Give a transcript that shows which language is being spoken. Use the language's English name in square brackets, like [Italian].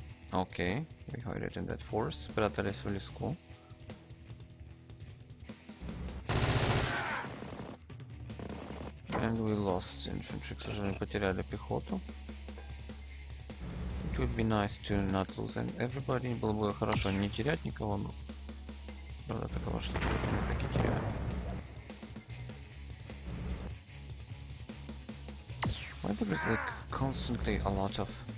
[English] Окей, okay. We hide it in that forest. [Russian] Спрятались в леску. [English] And we lost infantry. [Russian] К сожалению, потеряли пехоту. [English] It would be nice to not lose everybody. [Russian] Было бы хорошо не терять никого, но... Правда, такого, что мы так и теряем. [English] Why there is like constantly a lot of...